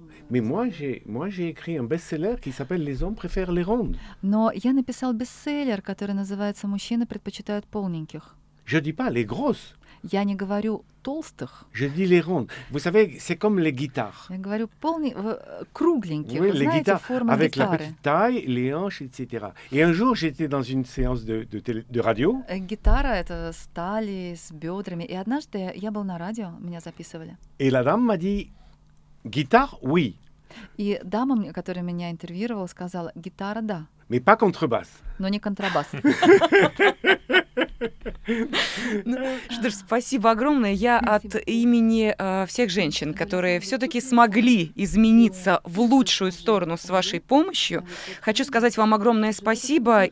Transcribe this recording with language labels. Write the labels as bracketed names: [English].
[French] Mais moi j'ai écrit un best-seller qui s'appelle Les hommes préfèrent les rondes. [Russian] Но я написал бестселлер, который называется Мужчины предпочитают полненьких. [French] Je dis pas les grosses. [Russian] Я не говорю толстых. [French] Je dis les rondes. Vous savez, c'est comme les guitares. [Russian] Я говорю кругленьких. Oui, [French] les guitares avec la petite taille, les hanches, etc. Et un jour j'étais dans une séance de radio. [Russian] Гитара это с талией, с бедрами. И однажды я был на радио, меня записывали. [French] Et la dame m'a dit guitare, oui. [Russian] И дама, которая меня интервьюировала, сказала: гитара, да. [French] Mais pas contrebasse. [Russian] Но не контрабас. Что ж, спасибо огромное. Я от имени всех женщин, которые все-таки смогли измениться в лучшую сторону с вашей помощью, хочу сказать вам огромное спасибо.